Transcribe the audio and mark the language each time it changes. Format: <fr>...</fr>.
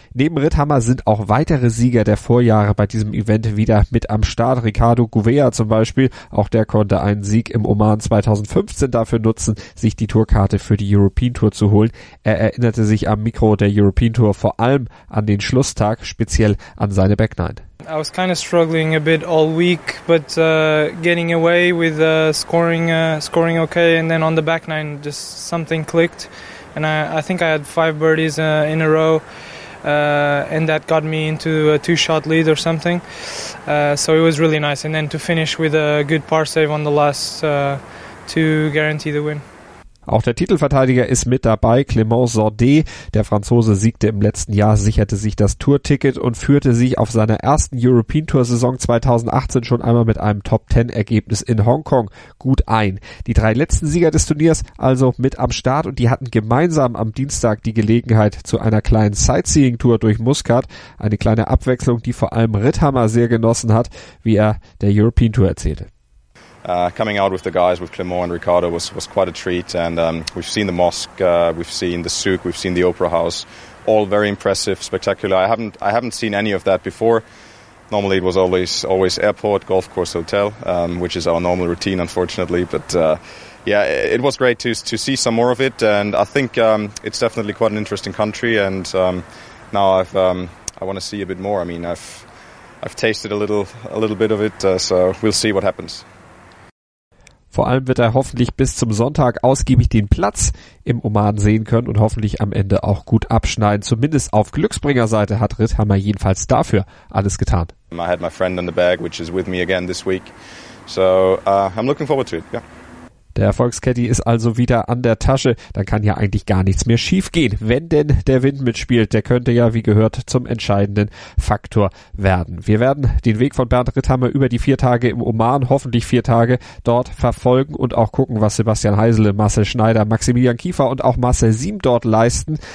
<de>Neben Ritthammer sind auch weitere Sieger der Vorjahre bei diesem Event wieder mit am Start. Ricardo Gouveia zum Beispiel, auch der konnte einen Sieg im Oman 2015 dafür nutzen, sich die Tourkarte für die European Tour zu holen. Er erinnerte sich am Mikro der European Tour vor allem an den Schlusstag, speziell an seine Back 9.</de> <en>I was kind of struggling a bit all week, but getting away with scoring okay, and then on the back nine just something clicked, and I think I had 5 birdies in a row, and that got me into a 2-shot lead or something, so it was really nice, and then to finish with a good par save on the last to guarantee the win.</en> <de>Auch der Titelverteidiger ist mit dabei, Clément Sordet. Der Franzose siegte im letzten Jahr, sicherte sich das Tourticket und führte sich auf seiner ersten European Tour Saison 2018 schon einmal mit einem Top-10-Ergebnis in Hongkong gut ein. Die 3 letzten Sieger des Turniers also mit am Start und die hatten gemeinsam am Dienstag die Gelegenheit zu einer kleinen Sightseeing-Tour durch Muscat. Eine kleine Abwechslung, die vor allem Ritthammer sehr genossen hat, wie er der European Tour erzählte.</de> <en>Coming out with the guys, with Clément and Ricardo, was quite a treat. And we've seen the mosque, we've seen the souk, we've seen the opera house. All very impressive, spectacular. I haven't seen any of that before. Normally it was always airport, golf course, hotel, which is our normal routine, unfortunately. But it was great to see some more of it. And I think it's definitely quite an interesting country. And now I want to see a bit more. I mean, I've tasted a little bit of it, so we'll see what happens.</en> <de>Vor allem wird er hoffentlich bis zum Sonntag ausgiebig den Platz im Oman sehen können und hoffentlich am Ende auch gut abschneiden. Zumindest auf Glücksbringerseite hat Ritthammer jedenfalls dafür alles getan.</de> <en>I had my friend on the bag, which is with me again this week. So I'm looking forward to it, yeah.</en> <de>Der Erfolgscaddy ist also wieder an der Tasche. Dann kann ja eigentlich gar nichts mehr schief gehen. Wenn denn der Wind mitspielt, der könnte ja, wie gehört, zum entscheidenden Faktor werden. Wir werden den Weg von Bernd Ritthammer über die 4 Tage im Oman, hoffentlich 4 Tage, dort verfolgen und auch gucken, was Sebastian Heisele, Marcel Schneider, Maximilian Kiefer und auch Marcel Siem dort leisten.</de>